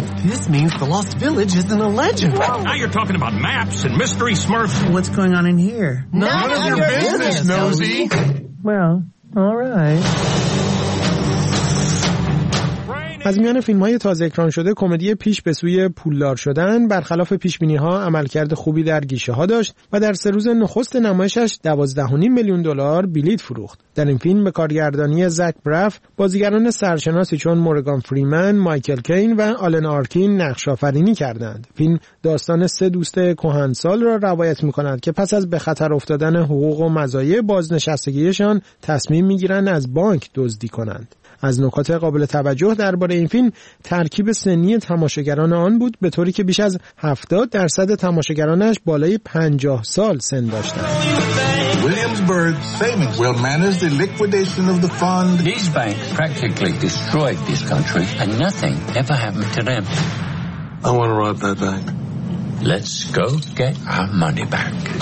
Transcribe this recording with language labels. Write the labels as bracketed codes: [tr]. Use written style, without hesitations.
[en] This means the lost village isn't a legend. Whoa. Now you're talking about maps and mystery smurfs. What's going on in here? None of your business, Nosy. Well, all right. [fa] از میان فیلم‌های تازه اکران شده کمدی پیش به سوی پولدار شدن برخلاف پیش‌بینی‌ها عملکرد خوبی در گیشه‌ها داشت و در سه روز نخست نمایشش 12.5 میلیون دلار بلیط فروخت. در این فیلم به کارگردانی زک براف بازیگران سرشناسی چون مورگان فریمن، مایکل کین و آلن آرکین نقش‌آفرینی کردند. فیلم داستان سه دوست کهنسال را روایت می‌کند که پس از به خطر افتادن حقوق و مزایای بازنشستگی‌شان تصمیم می‌گیرند از بانک دزدی کنند. از نکات قابل توجه درباره این فیلم ترکیب سنی تماشاگران آن بود، به طوری که بیش از 70% تماشاگرانش بالای 50 سال سن داشتند. [en] Williamsburg Savings will manage the liquidation of the fund. These banks practically destroyed this country and nothing ever happened to them. I want to rob that bank. Let's go get our money back.